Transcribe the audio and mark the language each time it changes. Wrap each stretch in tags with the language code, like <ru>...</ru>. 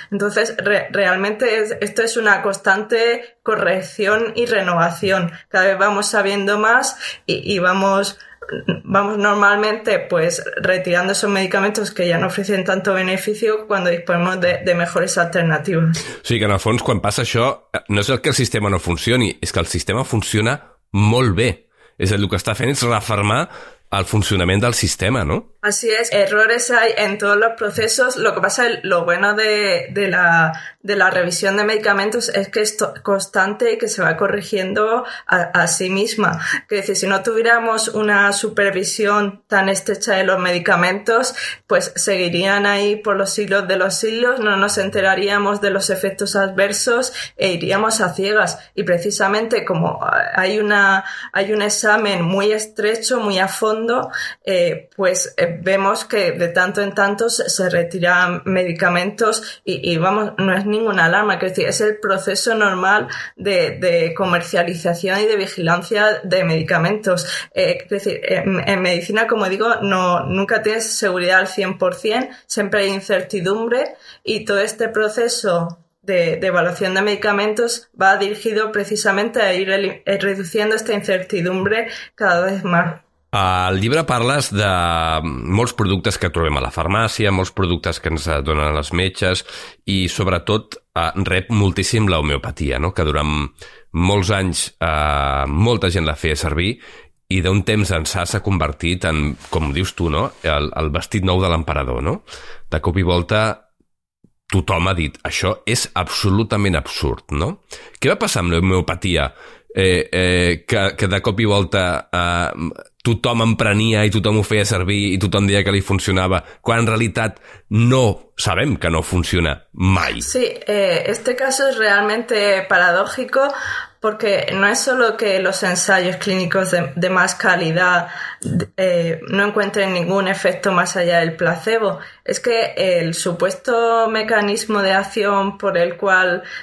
<es>Entonces, realmente esto es una constante corrección y renovación. Cada vez vamos sabiendo más y vamos normalmente pues retirando esos medicamentos que ja no ofrecen tanto beneficio cuando disponemos de mejores alternativas.</es> <ca>Sí, que en el fons, quan passa això, no és que el sistema no funcioni, és que el sistema funciona molt bé. És a dir, el que està fent és refermar al funcionamiento del sistema, ¿no?</ca> <es>Así es, errores hay en todos los procesos. Lo que pasa, lo bueno de la revisión de medicamentos es que es constante y que se va corrigiendo a sí misma. Que decir, si no tuviéramos una supervisión tan estrecha de los medicamentos, pues seguirían ahí por los siglos de los siglos, no nos enteraríamos de los efectos adversos e iríamos a ciegas. Y precisamente como hay un examen muy estrecho, muy a fondo, pues vemos que de tanto en tanto se retiran medicamentos y vamos, no es ninguna alarma, es decir, es el proceso normal de comercialización y de vigilancia de medicamentos. Es decir, en medicina, como digo, no, nunca tienes seguridad al 100%, siempre hay incertidumbre, y todo este proceso de evaluación de medicamentos va dirigido precisamente a ir reduciendo esta incertidumbre cada vez más.</es> <ca>Al llibre parles de molts productes que trobem a la farmàcia, molts productes que ens donen les metges, i sobretot rep moltíssim l'homeopatia, no? Que durant molts anys molta gent la feia servir, i d'un temps ençà s'ha convertit en, com dius tu, no? El vestit nou de l'emperador, no? De cop i volta tothom ha dit això és absolutament absurd, no? Què va passar amb l'homeopatia que de cop i volta tothom en prenia i tothom ho feia servir i tothom deia que li funcionava, quan en realitat no sabem que no funciona mai.</ca> <es>Sí, este caso es realmente paradójico porque no es solo que los ensayos clínicos de más calidad no encuentren ningún efecto más allá del placebo, es que el supuesto mecanismo de acción por el cual</es>